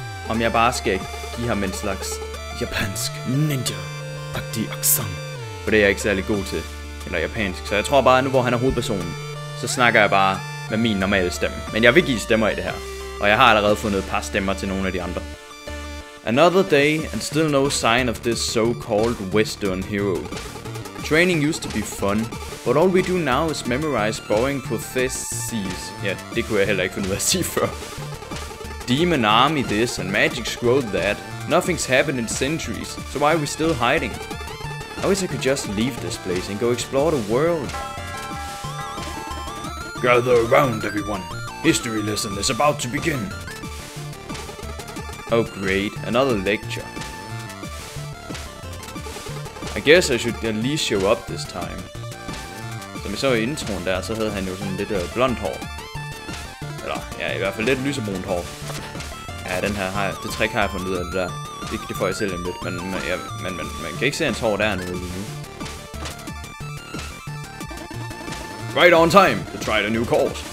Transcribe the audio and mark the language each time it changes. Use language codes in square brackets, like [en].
[da] Om jeg bare skal give ham en slags japansk ninja-agtig accent. For det er jeg ikke særlig god til. Eller japansk. Så jeg tror bare, at nu hvor han er hovedpersonen, så snakker jeg bare med min normale stemme. Men jeg vil give stemmer i det her. Og jeg har allerede fundet et par stemmer til nogle af de andre. [en] Another day, and still no sign of this so-called Western hero. Training used to be fun, but all we do now is memorize boring prophecies. [da] Ja, det kunne jeg heller ikke finde ud af at sige før. [en] Demon army this, and magic scroll that. Nothing's happened in centuries, so why are we still hiding? I wish I could just leave this place and go explore the world. Gather around, everyone. History lesson is about to begin. Oh great, another lecture. I guess I should at least show up this time. [da] Som I så i introen der, så havde han jo sådan lidt blond hår. Eller, ja, i hvert fald lidt lysebrunt hår. Ja, den her har jeg, det trick har jeg fundet ud af det der. Det får jeg selv lidt, men man kan ikke se hans hår dernede lige nu. [en] Right on time to try the new course.